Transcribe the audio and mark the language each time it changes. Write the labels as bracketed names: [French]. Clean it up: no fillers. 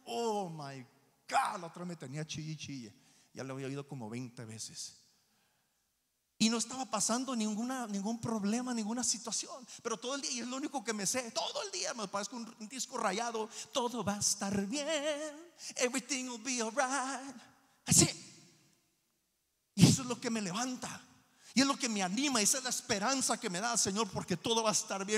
[English] Oh my God, [Spanish] la otra me tenía chille, chille. Ya lo había oído como 20 veces. Y no estaba pasando ningún problema, ninguna situación. Pero todo el día, y es lo único que me sé, todo el día me parece un disco rayado. Todo va a estar bien. [English] Everything will be alright. [Spanish] Así. Y eso es lo que me levanta. Y es lo que me anima. Esa es la esperanza que me da, Señor, porque todo va a estar bien.